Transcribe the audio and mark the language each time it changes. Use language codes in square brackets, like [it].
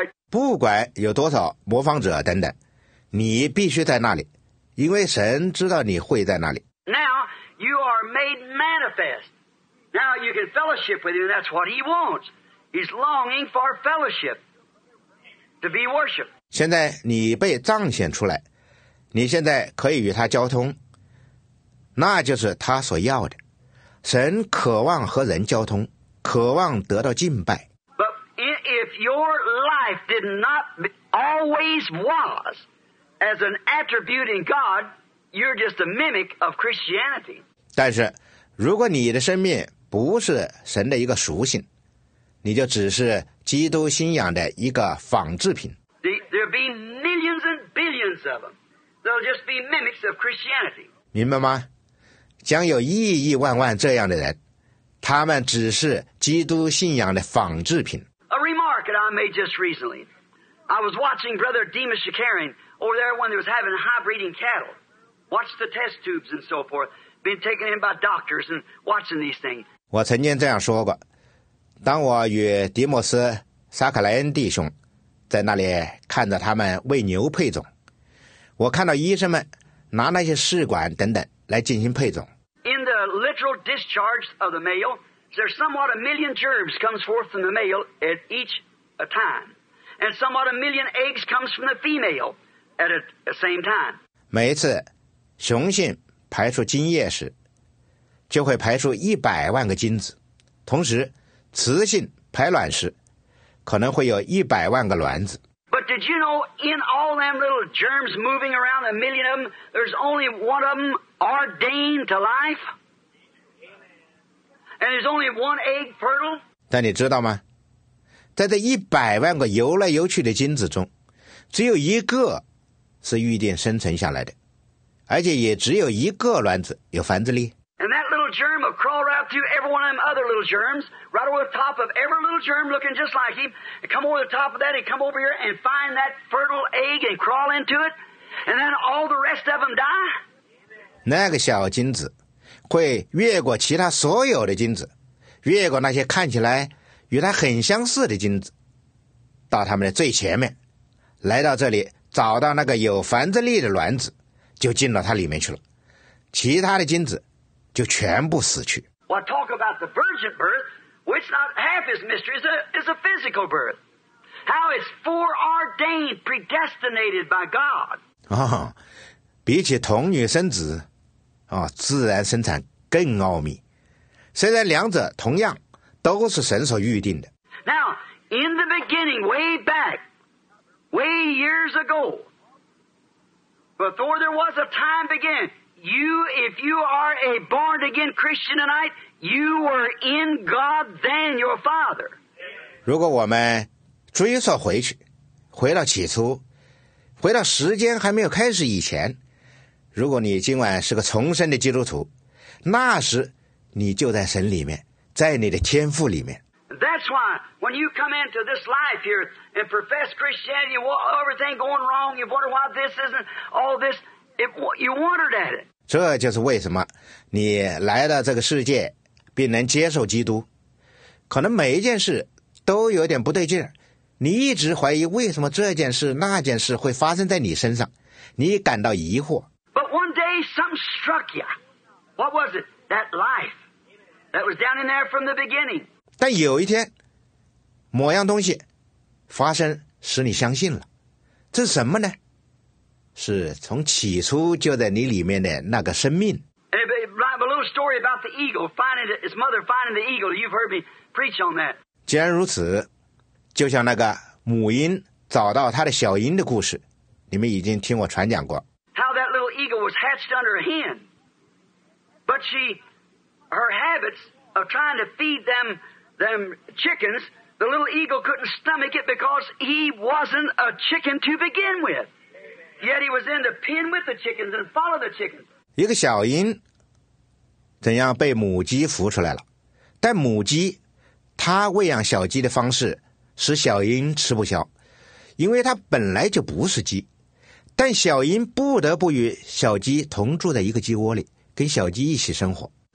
[zh] 不管有多少模仿者等等，你必须在那里，因为神知道你会在那里。 [en] Now you are made manifest. Now you can fellowship with him. That's what he wants. He's longing for fellowship to be worshipped. [zh] 现在你被彰显出来，你现在可以与他交通，那就是他所要的。神渴望和人交通，渴望得到敬拜。 [en] But if your life did not always was as an attribute in God, you're just a mimic of Christianity. [zh] 但是如果你的生命不是神的一个属性，你就只是基督信仰的一个仿制品。 [en] There'll be millions and billions of them. They'll just be mimics of Christianity. [zh] 明白吗？将有亿亿万万这样的人，他们只是基督信仰的仿制品。 [en] A remark that I made just recently. I was watching Brother Demas Shakarian over there when he was having high breeding cattle. Watch the test tubes and so forth. Been taken in by doctors and watching these things. [zh] 我曾经这样说过，当我与迪莫斯·萨克莱恩弟兄在那里看着他们喂牛配种，我看到医生们拿那些试管等等来进行配种。 [en] In the literal discharge of the male, there's somewhat a million germs comes forth from the male at each time, and somewhat a million eggs comes from the female at the same time. [zh] 每一次雄性排出精液时，就会排出100万个精子，同时雌性排卵时，可能会有100万个卵子。 [en] But did you know in all them little germs moving around, a million of them, there's only one of them ordained to life? And there's only one egg fertile? [zh] 但你知道吗？在这100万个游来游去的精子中，只有一个是预定生成下来的，而且也只有一个卵子有繁殖力。 [en] And that little germ will crawl right through every one of them other little germs, right over the top of every little germ looking just like him, and come over the top of that and come over here and find that fertile egg and crawl into it, and then all the rest of them die? [zh] 那个小精子会越过其他所有的精子，越过那些看起来与它很相似的精子，到它们的最前面，来到这里找到那个有繁殖力的卵子，就进到它里面去了，其他的精子就全部死去。我 [en] talk about the virgin birth, which not half is mystery, is a physical birth. How it's foreordained, predestinated by God. [zh] 比起童女生子，自然生产更奥秘。虽然两者同样都是神所预定的。 [en] Now, in the beginning, way back, way years ago, before there was a time began, you, if you are a born again Christian tonight, you were in God then, your father. [zh] 如果我们追溯回去，回到起初，回到时间还没有开始以前，如果你今晚是个重生的基督徒，那时你就在神里面，在你的天父里面。 [en] That's why when you come into this life here and profess Christianity, everything going wrong, you wonder why this isn't all this. You wondered at it. [zh] 这就是为什么你来到这个世界并能接受基督，可能每一件事都有点不对劲，你一直怀疑为什么这件事那件事会发生在你身上，你感到疑惑。 [en] Something struck you. What was it? That life that was down in there from the beginning. [zh] 但有一天，某样东西发生，使你相信了。这是什么呢？是从起初就在你里面的那个生命。 [en] A little story about the eagle finding his mother finding the eagle. You've heard me preach on that. [zh] 既然如此，就像那个母鹰找到它的小鹰的故事，你们已经听我传讲过。 [en] Eagle was hatched under a hen, But she, her habits of trying to feed them chickens, the little eagle couldn't stomach it because he wasn't a chicken to begin with. Yet he was in the pen with the chickens and followed the chickens. [zh] 一个小鹰怎样被母鸡孵出来了？但母鸡它喂养小鸡的方式使小鹰吃不消，因为它本来就不是鸡。但小鹰不得不与小鸡同住在一个鸡窝里，跟小鸡一起生活。